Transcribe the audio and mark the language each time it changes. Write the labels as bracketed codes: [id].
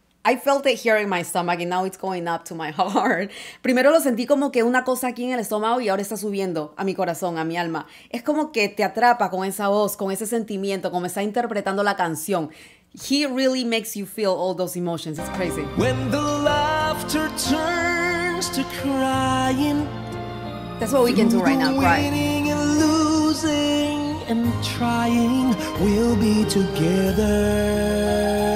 [en] I felt it here in my stomach and now it's going up to my heart. [es] Primero lo sentí como que una cosa aquí en el estómago y ahora está subiendo a mi corazón, a mi alma. Es como que te atrapa con esa voz, con ese sentimiento, como está interpretando la canción. [en] He really makes you feel all those emotions. It's crazy. When the laughter turns to crying. That's what we can do right now, cry. Winning and losing and trying, we'll be together.